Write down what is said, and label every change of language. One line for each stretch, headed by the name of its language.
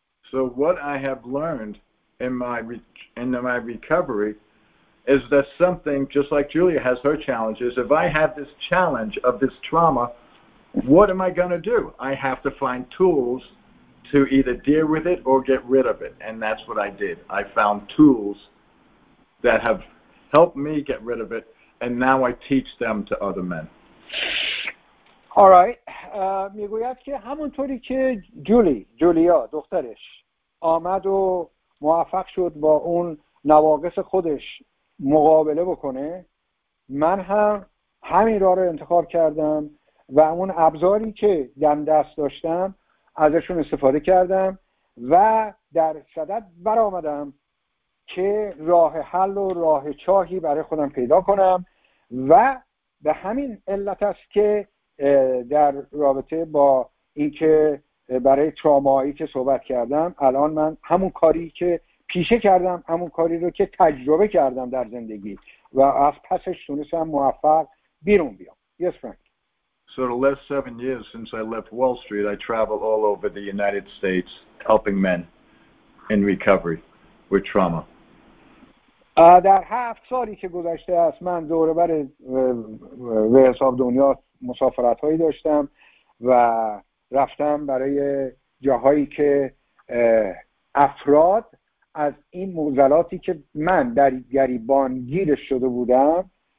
English: So what I have learned in my recovery is that something, just like Julia has her challenges, if I have this challenge of this trauma, what am I going to do? I have to find tools to either deal with it or get rid of it. And that's what I did. I found tools that have helped me get rid of it, and now I teach them to other men. All right.
Persian: میگوید که همونطوری که جولیا دخترش آمد و موفق شد با اون نواقص خودش مقابله بکنه، من هم همین راه رو انتخاب کردم و اون ابزاری که دم دست داشتم ازشون استفاده کردم و در صدد برآمدم که راه حل و راه چاهی برای خودم پیدا کنم و به همین علت است که در رابطه با اینکه برای ترامایی که صحبت کردم، الان من همون کاری که پیشه کردم، همون کاری رو که تجربه کردم در زندگی و از پسش تونستم موفق بیرون بیام.
English: Yes, Frank. So the last 7 years since I left Wall Street, I traveled all over the United States helping men in recovery with trauma.
Persian: در 7 سالی که گذشته است من دوربر به حساب دنیا مسافرت هایی داشتم و رفتم برای جاهایی که افراد از این معضلاتی که من در گریبان گیر شده بودم،